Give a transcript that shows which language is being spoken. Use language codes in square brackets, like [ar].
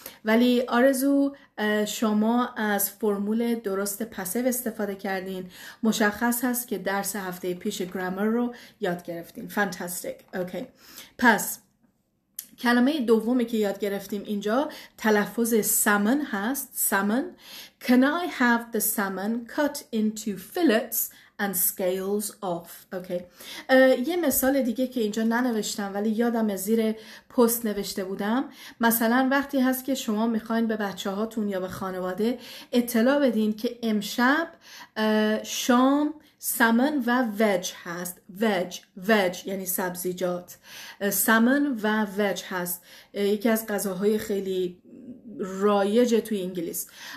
[fa] ولی آرزو، شما از فرمول درست پسیو استفاده کردین. مشخص هست که درس هفته پیش گرامر رو یاد گرفتین. [en] Fantastic. Okay. [fa] پس کلمه دومی که یاد گرفتیم اینجا تلفظ salmon هست. [en] Salmon. Can I have the salmon cut into fillets and scales off. Okay. [fa] یه مثال دیگه که اینجا ننوشتم ولی یادم زیر پست نوشته بودم، مثلا وقتی هست که شما میخواین به بچه هاتون یا به خانواده اطلاع بدین که امشب شام سمن و وج هست. وج، وج یعنی سبزیجات. سمن و وج هست، یکی از غذاهای خیلی رایج توی انگلیس.